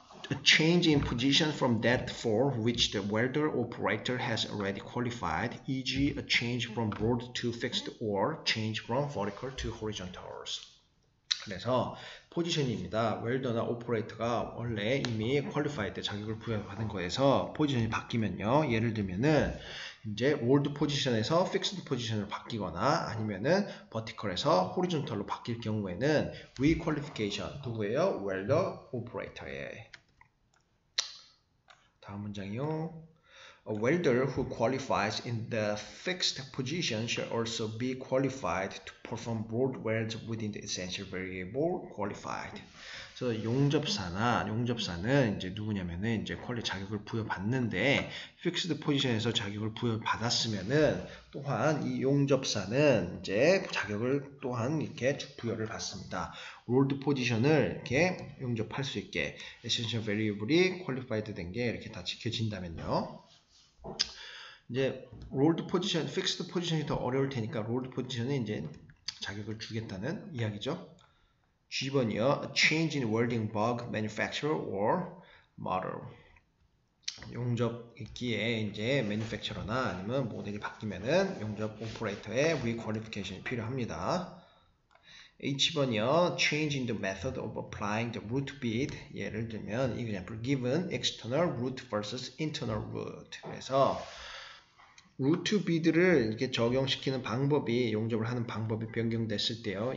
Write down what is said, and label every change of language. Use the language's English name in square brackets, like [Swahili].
[English] A change in position from that for which the welder operator has already qualified, e.g., a change from broad to fixed or change from vertical to horizontals. [Korean] 그래서 포지션입니다. 웰더나 오퍼레이터가 원래 이미 퀄리파이 때 자격을 부여받은 거에서 포지션이 바뀌면요. 예를 들면은 이제 롤드 포지션에서 픽스드 포지션으로 바뀌거나 아니면은 버티컬에서 호리존털로 바뀔 경우에는 리퀄리피케이션 누구예요? 웰더 오퍼레이터의 다음 문장이요. [English] A welder who qualifies in the fixed position shall also be qualified to perform broad welds within the essential variable qualified. [Korean] 그래서 용접사는 이제 누구냐면은 이제 퀄리 자격을 부여받는데 픽스드 포지션에서 자격을 부여받았으면은 또한 이 용접사는 이제 자격을 또한 이렇게 부여를 받습니다. 롤드 포지션을 이렇게 용접할 수 있게 에센셜 베리어블이 퀄리파이드 된 게 이렇게 다 지켜진다면요. 이제 롤드 포지션, 픽스드 포지션이 더 어려울 테니까 롤드 포지션에 이제 자격을 주겠다는 이야기죠. G번이요. [English] A change in welding bug, manufacturer or model. [Korean] 용접 있기에 이제 manufacturer나 아니면 모델이 바뀌면은 용접 operator의 requalification이 필요합니다. H번이요. [English] Change in the method of applying the root bit. [Korean] 예를 들면 [English] example given external root versus internal root. [Korean] 그래서 root bit를 이렇게 적용시키는 방법이 용접을 하는 방법이 변경됐을 때요.